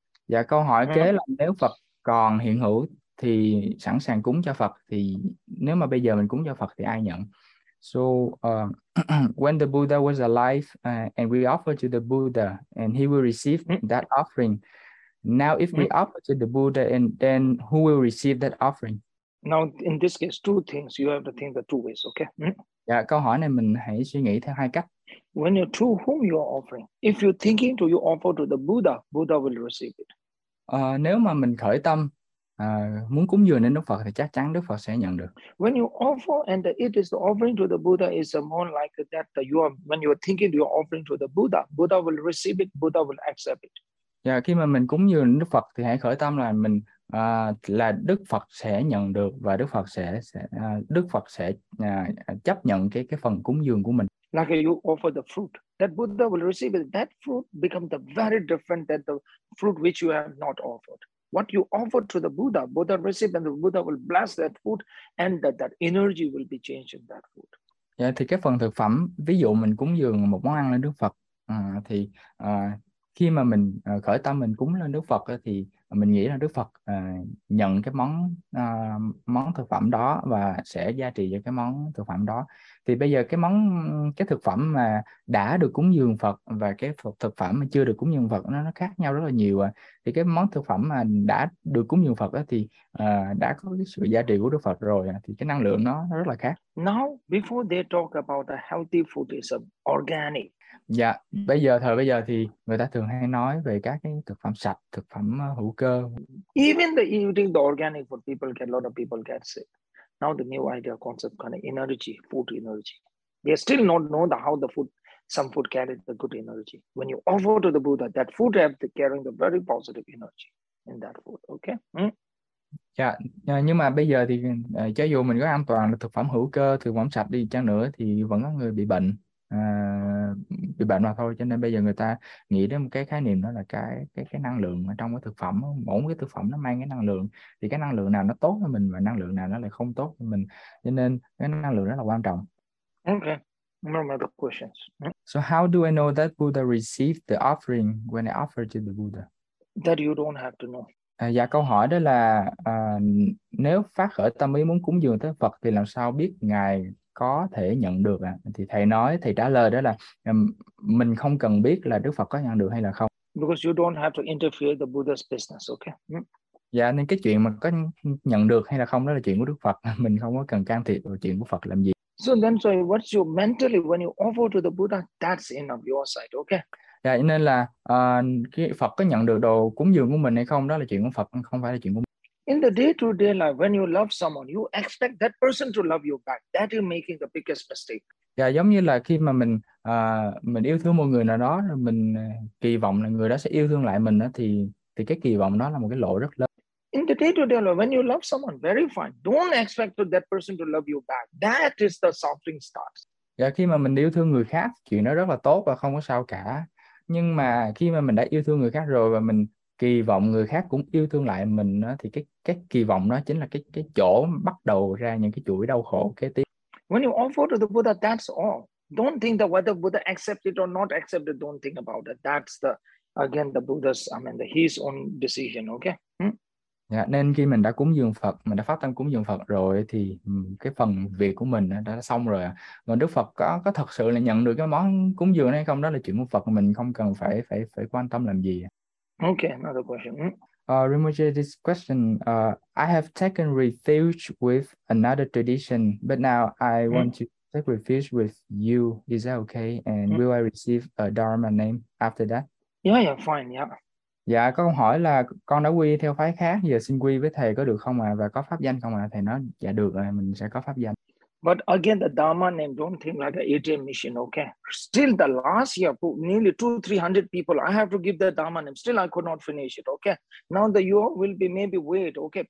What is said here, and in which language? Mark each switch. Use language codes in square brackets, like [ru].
[vi] Dạ, câu hỏi kế là nếu Phật còn hiện hữu thì sẵn sàng cúng cho Phật, thì nếu mà bây giờ mình cúng cho Phật thì ai nhận? [en] So when the Buddha was alive and we offer to the Buddha and he will receive that offering. Now, if we offer to the Buddha, and then who will receive that offering? Now, in this case, two things, you have to think the two ways, okay? [vi] Dạ, câu hỏi này mình hãy suy nghĩ theo hai cách. [en] When you to whom you are offering, if you're thinking to you offer to the Buddha, Buddha will receive it. [vi] Nếu mà mình khởi tâm muốn cúng dường đến Đức Phật thì chắc chắn Đức Phật sẽ nhận được. [en] When you offer and it is the offering to the Buddha is more like that, you are when you are thinking you are offering to the Buddha, Buddha will receive it, Buddha will accept it. [vi] Và khi mà mình cúng dường Đức Phật thì hãy khởi tâm là mình là Đức Phật sẽ nhận được, và Đức Phật sẽ chấp nhận cái phần cúng dường của mình. [en] Like you offer the fruit, that Buddha will receive it. That fruit become the very different than the fruit which you have not offered. What you offered to the Buddha, Buddha receive and the Buddha will bless that food and that energy will be changed in that food. [vi] Dạ, thì cái phần thực phẩm, ví dụ mình cúng dường một món ăn lên Đức Phật, thì khi mà mình khởi tâm mình cúng lên Đức Phật thì mình nghĩ là Đức Phật nhận cái món món thực phẩm đó và sẽ gia trì cho cái món thực phẩm đó. Thì bây giờ cái thực phẩm mà đã được cúng dường Phật và cái thực phẩm mà chưa được cúng dường Phật nó khác nhau rất là nhiều à. Thì cái món thực phẩm mà đã được cúng dường Phật thì đã có cái sự gia trì của Đức Phật rồi à. Thì cái năng lượng nó rất là khác. [en] Now, before they talk about the healthy food is organic. [vi] Dạ, bây giờ thì người ta thường hay nói về các cái thực phẩm sạch, thực phẩm hữu cơ. [en] Even the eating the organic food, people get a lot of people get sick. Now the new idea concept kind of energy, food energy. They still not know the how the food, some food carry the good energy. When you offer to the Buddha, that food have the carrying the very positive energy in that food. Okay? [vi] Dạ, nhưng mà bây giờ thì cho dù mình có an toàn là thực phẩm hữu cơ, thực phẩm sạch đi chăng nữa thì vẫn có người bị bệnh. Bị bệnh mà thôi, cho nên bây giờ người ta nghĩ đến một cái khái niệm đó là cái năng lượng ở trong cái thực phẩm, mỗi cái thực phẩm nó mang cái năng lượng, thì cái năng lượng nào nó tốt cho mình và năng lượng nào nó lại không tốt cho mình, cho nên cái năng lượng rất là quan trọng. [en] Okay, no more questions. So how do I know that Buddha received the offering when I offered to the Buddha? That you don't have to know. [vi] Dạ, câu hỏi đó là nếu phát khởi tâm ý muốn cúng dường tới Phật thì làm sao biết ngài có thể nhận được ạ? À? Thì thầy trả lời đó là mình không cần biết là Đức Phật có nhận được hay là không. [en] Because you don't have to interfere the Buddha's business, okay? [vi] Dạ, nên cái chuyện mà có nhận được hay là không đó là chuyện của Đức Phật, mình không có cần can thiệp vào chuyện của Phật làm gì. [en] So then, so what's your mentally when you offer to the Buddha? That's in of your side, okay? [vi] Dạ, nên là cái Phật có nhận được đồ cúng dường của mình hay không đó là chuyện của Phật, không phải là chuyện của mình. [en] In the day-to-day life, when you love someone, you expect that person to love you back. That is making the biggest mistake. [vi] Dạ, giống như là khi mà mình yêu thương một người nào đó, rồi mình kỳ vọng là người đó sẽ yêu thương lại mình đó, thì cái kỳ vọng đó là một cái lỗi rất lớn. [en] In the day-to-day life, when you love someone, very fine. Don't expect that person to love you back. That is the suffering starts. [vi] Dạ, khi mà mình yêu thương người khác, chuyện đó rất là tốt và không có sao cả. Nhưng mà khi mà mình đã yêu thương người khác rồi và mình kỳ vọng người khác cũng yêu thương lại mình đó, thì cái kỳ vọng đó chính là cái chỗ bắt đầu ra những cái chuỗi đau khổ kế tiếp. [en] When you offer to the Buddha, that's all. Don't think that whether Buddha accept it or not accept it, don't think about it. That's the, again, the Buddha's, I mean, his own decision, okay? [vi] Nên khi mình đã cúng dường Phật, mình đã phát tâm cúng dường Phật rồi thì cái phần việc của mình đã xong rồi. Còn Đức Phật có thật sự là nhận được cái món cúng dường hay không, đó là chuyện của Phật, mình không cần phải phải phải quan tâm làm gì. [en] Okay, another question. Rinpoche, this question. I have taken refuge with another tradition, but now I want to take refuge with you. Is that okay? And will I receive a Dharma name after that? Yeah, fine, yeah. [vi] Dạ, có câu hỏi là con đã quy theo phái khác, giờ xin quy với thầy có được không ạ? Và có pháp danh không ạ? Thầy nói dạ được rồi, mình sẽ có pháp danh. [en] But again, the Dharma name don't think like an ATM machine, okay? Still, the last year, nearly 200-300 people, I have to give the Dharma name. Still, I could not finish it, okay? Now that you will be maybe wait, okay?